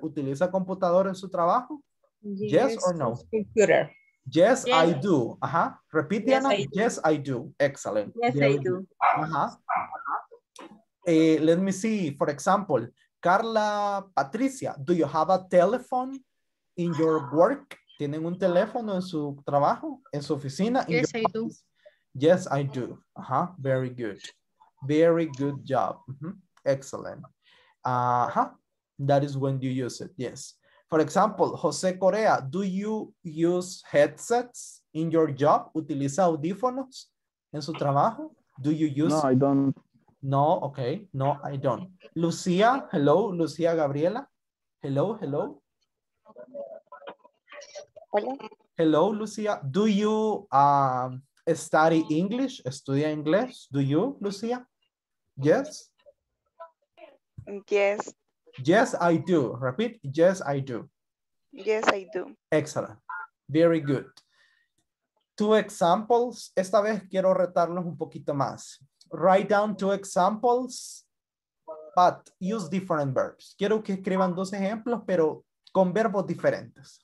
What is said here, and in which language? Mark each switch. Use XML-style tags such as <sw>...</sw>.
<es>¿Utiliza computador en su trabajo?</es> <en>Yes or no? Computer. Yes, yes, I do. Uh-huh. Repeat, Diana. Yes, I do. Excellent. Yes, there I do. Uh-huh. Let me see. For example, Carla Patricia, do you have a telephone in your work?</en> <es>¿Tienen un teléfono en su trabajo, en su oficina?</es> <en>Yes, I office? Do. Yes, I do. Uh-huh. Very good. Very good job. Mm-hmm. Excellent. Uh-huh. That is when you use it. Yes. For example, Jose Corea, do you use headsets in your job?</en> <es>¿Utiliza audífonos en su trabajo?</es> <en>Do you use? No, I don't. No, okay. No, I don't. Lucia, hello. Lucia Gabriela. Hello, hello.</en> <es>Hola.</es> <en>Hello, Lucia. Do you study English?</en> <es>¿Estudia inglés?</es> <en>Do you, Lucia? Yes. Yes. Yes, I do. Repeat. Yes, I do. Yes, I do. Excellent. Very good. Two examples.</en> <es>Esta vez quiero retarlos un poquito más.</es> <en>Write down two examples, but use different verbs.</en> <es>Quiero que escriban dos ejemplos, pero con verbos diferentes.</es>